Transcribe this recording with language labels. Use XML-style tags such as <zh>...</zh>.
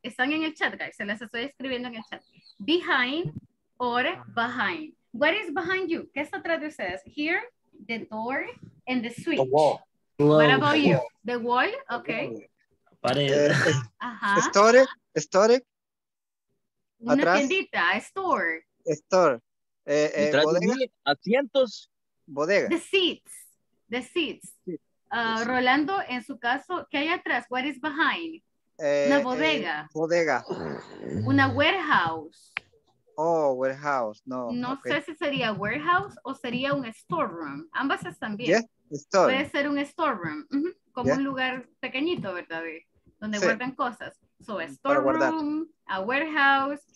<es>Están en el chat, guys. Se las estoy escribiendo en el chat.</es> <en>Behind or behind. What is behind you?</en> <es>¿Qué está atrás de ustedes?</es> <en>Here, the door, and the switch. The wall. What about you? The wall? Okay.</en> <es>Pared. Ajá.</es> <en>Store. Store.</en> <es>Una atrás. Tiendita.</es> <en>A store. Store.</en> <es>Bodega. Asientos. Bodega.</es> <en>The seats. The seats.</en> <es>Rolando, en su caso, ¿qué hay atrás?</es> <en>What is behind?</en> <es>Una bodega. Bodega. Una warehouse.</es> <en>Oh, warehouse, no. No okay.</en> <es>sé si sería warehouse o sería un storeroom. Ambas están bien.</es> <en>Yeah, store.</en> <es>Puede ser un storeroom, como un lugar pequeñito, ¿verdad? Donde guardan cosas.</es> <en>So, storeroom, a warehouse.</en>